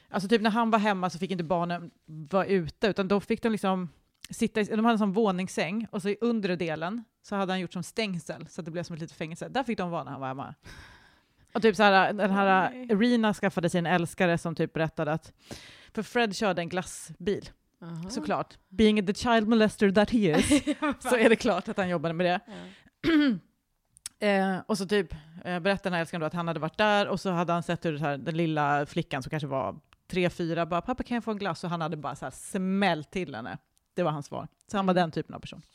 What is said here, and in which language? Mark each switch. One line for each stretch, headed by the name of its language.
Swedish: Alltså typ när han var hemma så fick inte barnen vara ute, utan då fick de liksom sitta, de hade en sån våningssäng och så i undre delen så hade han gjort som stängsel så att det blev som ett litet fängelse. Där fick de vara när han var hemma. Och typ så här, den här Rina skaffade sin älskare som typ berättade att, för Fred körde en glassbil. Uh-huh. Såklart.
English: Being the child molester that he is.
Swedish: Så är det klart att han jobbade med det. Mm. Och så typ berättade den här älskaren då att han hade varit där och så hade han sett hur det här, den lilla flickan som kanske var 3-4 bara, pappa kan jag få en glass? Och han hade bara så här smält till henne. Det var hans svar. Så han var den typen av person.